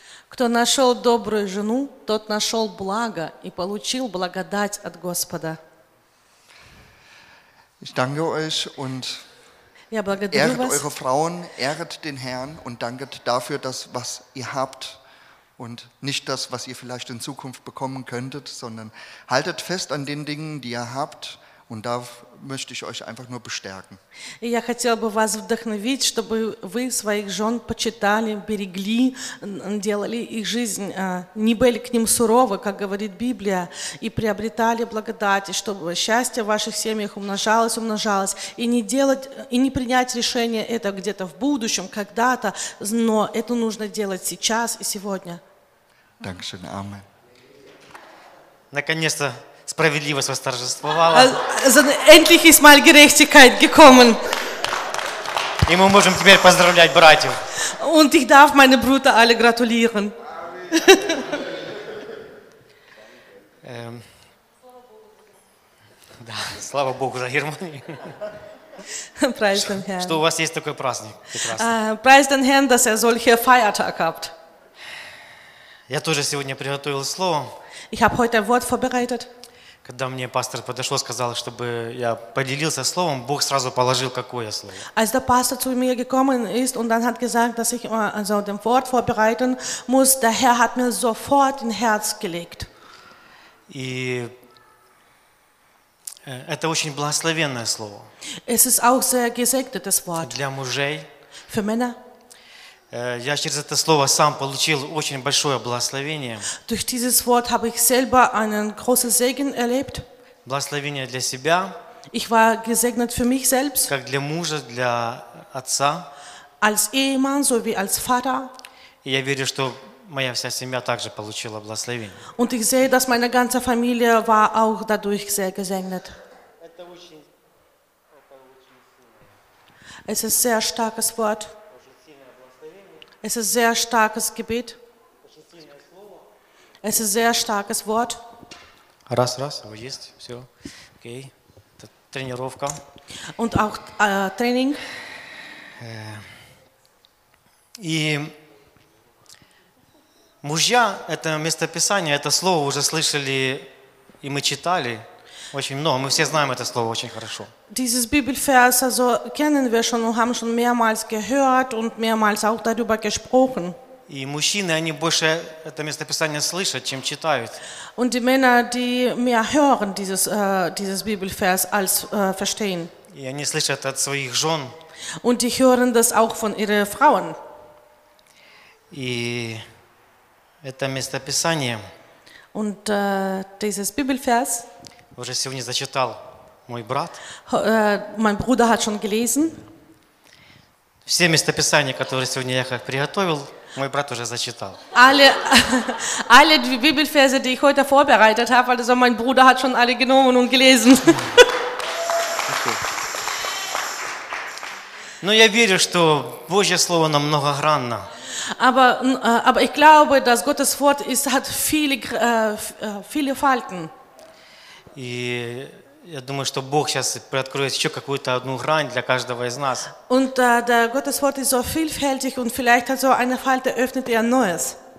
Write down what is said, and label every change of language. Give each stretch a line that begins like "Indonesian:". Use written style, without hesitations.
Russian: Кто нашел добрую жену, тот нашел благо и получил благодать от Господа.
German: Ich danke euch und Ehret eure Frauen, ehret den Herrn und danket dafür, das, was ihr habt und nicht das, was ihr vielleicht in Zukunft bekommen könntet, sondern haltet fest an den Dingen, die ihr habt. Und da möchte ich euch einfach nur bestärken.
Russian: Я хотела бы вас вдохновить, чтобы вы своих жен почитали, берегли, делали их жизнь, не были к ним суровы, как говорит Библия, и приобретали благодать, чтобы счастье в ваших семьях умножалось, и не делать, и не принять решение это где-то в будущем, когда-то, но это нужно делать сейчас и сегодня.
German: Dankeschön, Amen.
Russian: Наконец-то. Справедливость восторжествовала.
German: Endlich ist mal Gerechtigkeit gekommen.
Russian: И мы можем теперь поздравлять братьев.
German: Und ich darf meine Brüder alle gratulieren.
Russian: Да, слава Богу за Германию.
German: Preist den Herrn.
Russian: Что у вас есть такой праздник?
German: Preist den Herrn, dass er solche Feiertag habt.
Russian: Я тоже сегодня приготовил слово.
German: Ich habe heute ein Wort vorbereitet.
Russian: Когда мне пастор подошел, сказал, чтобы я поделился словом, Бог сразу положил какое слово.
German: Als der Pastor zu mir gekommen ist und dann hat gesagt, dass ich also dem Wort vorbereiten muss, der Herr hat mir sofort ein Herz gelegt.
Russian: И это очень благословенное слово.
German: Es ist auch sehr gesegnetes Wort.
Russian: Для мужей.
German: Für Männer.
Russian: Я через это слово сам получил очень большое благословение.
German: Durch dieses Wort habe ich selber einen großen Segen erlebt.
Russian: Благословение для себя.
German: Ich war gesegnet für mich selbst.
Russian: Как для мужа, для отца.
German: Als Ehemann sowie als Vater.
Russian: И я верю, что моя вся семья также получила благословение.
German: Und ich sehe, dass meine ganze Familie war auch dadurch sehr gesegnet. Es ist ein sehr starkes Wort. Es ist ein sehr starkes Gebet. Es ist ein sehr starkes Wort.
Russian: Раз, вы есть, все. Окей. Это тренировка.
German: Und auch Training.
Russian: И мужья, это местописание, это слово уже слышали, и мы читали очень много. Мы все знаем это слово очень хорошо.
German: Dieses Bibelvers, also kennen wir schon und haben schon mehrmals gehört und mehrmals auch darüber gesprochen.
Russian: И мужчины, они больше это местописание слышат, чем читают.
German: Und die Männer, die mehr hören dieses dieses Bibelvers als verstehen.
Russian: И они слышат от своих жен.
German: Und die hören das auch von ihren Frauen.
Russian: И это местописание.
German: Und dieses Bibelvers.
Russian: Уже сегодня зачитал. Мой брат.
German: Mein Bruder hat schon gelesen.
Russian: Все местописания, которые сегодня я приготовил, мой брат уже зачитал.
German: Alle die Bibelverse, die ich heute vorbereitet habe, also mein Bruder hat schon alle genommen und gelesen.
Russian: Но я верю, что Божье слово намного гранно.
German: Aber ich glaube, dass Gottes Wort ist hat viele viele Falten.
Russian: И я думаю, что Бог сейчас приоткроет еще какую-то одну грань для каждого из нас.
German: Und der Gottes Wort ist so vielfältig und vielleicht hat so eine Falte öffnet ihr Neues.